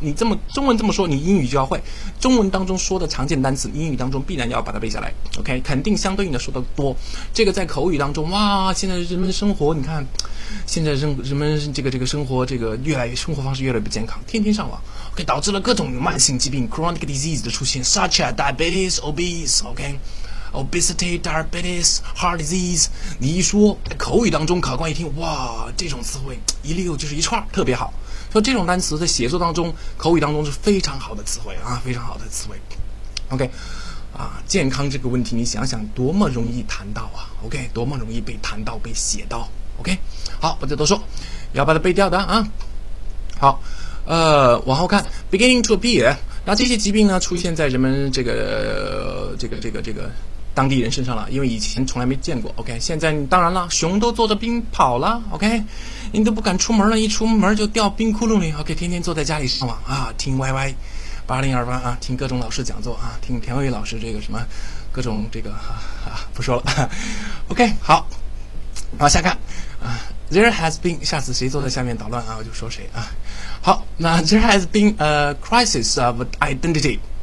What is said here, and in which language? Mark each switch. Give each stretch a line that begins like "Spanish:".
Chinese: 你这么中文这么说，你英语就要会。中文当中说的常见单词，英语当中必然要把它背下来。 OK， 肯定相对应的说的多。这个在口语当中，哇，现在人们生活，你看，现在人们这个生活，这个越来越生活方式越来越不健康，天天上网 ，OK， 导致了各种慢性疾病 （chronic disease） 的出现。
English: Such as diabetes, obese, okay, obesity, diabetes, heart disease.
Chinese: 你一说，在口语当中，考官一听，哇，这种词汇一溜就是一串，特别好。说这种单词在写作当中，口语当中是非常好的词汇啊，非常好的词汇。 OK， 啊，健康这个问题，你想想，多么容易谈到啊 ？OK， 多么容易被谈到、被写到 ？OK， 好，不再多说，要把它背掉的啊。好，往后看 ，
English: beginning to appear。
Chinese: 那这些疾病呢，出现在人们这个当地人身上了，因为以前从来没见过。 OK， 现在当然了，熊都坐着冰跑了。OK， 你都不敢出门了，一出门就掉冰窟窿里。 OK， 天天坐在家里上网啊，听 YY 8028啊，听各种老师讲座啊，听田伟老师这个什么各种这个不说了。 OK， 好，往下看啊。
English: There has been，
Chinese: 下次谁坐在下面捣乱啊，我就说谁啊。好，那
English: There has been a crisis of identity。